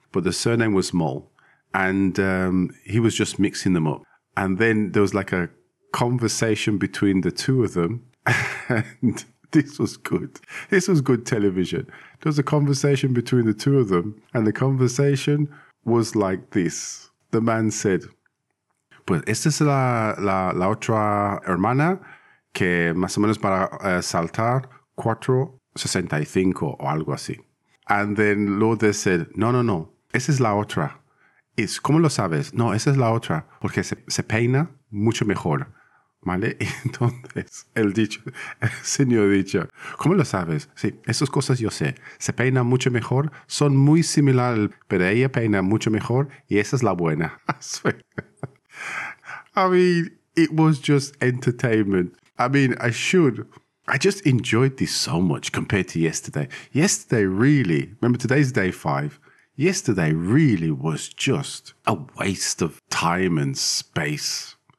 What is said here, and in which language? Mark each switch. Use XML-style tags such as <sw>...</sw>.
<en>But the surname was Moll. And he was just mixing them up. And then there was like a conversation between the two of them. And this was good. This was good television. There was a conversation between the two of them. And the conversation was like this. The man said,</en> <es>pues esta es la otra hermana que más o menos para saltar 4.65 o algo así.</es> <en>And then Lourdes said,</en> <es>no. Esa es la otra. Es, ¿cómo lo sabes? No, esa es la otra. Porque se peina mucho mejor. ¿Vale? Entonces, el señor dicho, ¿cómo lo sabes? Sí, esas cosas yo sé. Se peina mucho mejor. Son muy similares, pero ella peina mucho mejor. Y esa es la buena.</es> <en>I mean, it was just entertainment. I just enjoyed this so much compared to yesterday. Yesterday, really. Remember, today's day five. Yesterday really was just a waste of time and space.</en>